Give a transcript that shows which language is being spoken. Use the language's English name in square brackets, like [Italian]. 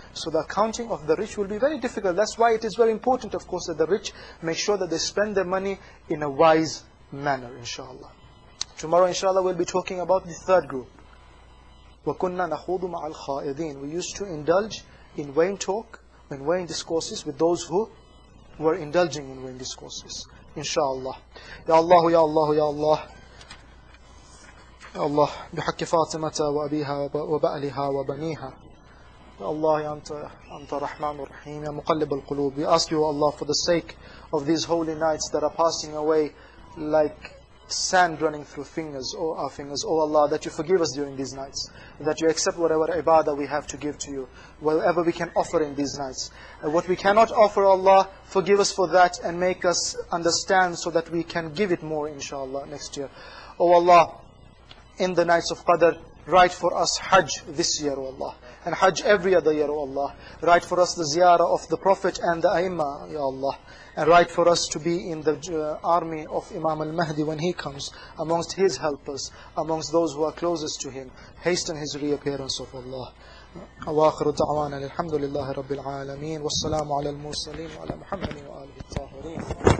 [English] So the accounting of the rich will be very difficult. That's why it is very important, of course, that the rich make sure that they spend their money in a wise manner, inshallah. Tomorrow, inshallah, we'll be talking about the third group. [Arabic] وَكُنَّا نَخُوضُ مَعَ الْخَائِذِينَ. [English] We used to indulge in vain talk, in vain discourses with those who were indulging in vain discourses, inshallah. [Arabic] Ya Allah, Ya Allah, Ya Allah. Ya Allah, بِحَكِّ فَاطِمَةَ وَأَبِيهَا وَبَأْلِهَا وَبَنِيهَا. Ya Allah, Ya Anta Rahman Rahim, Ya Muqallib Al-Qulub. [English] We ask you, Allah, for the sake of these holy nights that are passing away like sand running through fingers, our fingers. Oh Allah, that you forgive us during these nights. That you accept whatever ibadah we have to give to you. Whatever we can offer in these nights. What we cannot offer, Allah, forgive us for that and make us understand so that we can give it more, inshallah, next year. Oh Allah, in the nights of Qadr, write for us Hajj this year, O Allah. And Hajj every other year, O Allah. Write for us the ziyarah of the Prophet and the Aima, Ya Allah. And write for us to be in the army of Imam al-Mahdi when he comes, amongst his helpers, amongst those who are closest to him. Hasten his reappearance, O Allah. [Arabic] وآخر دعوانا الحمد لله رب العالمين والسلام على المرسلين وعلى محمد وآله الطاهرين.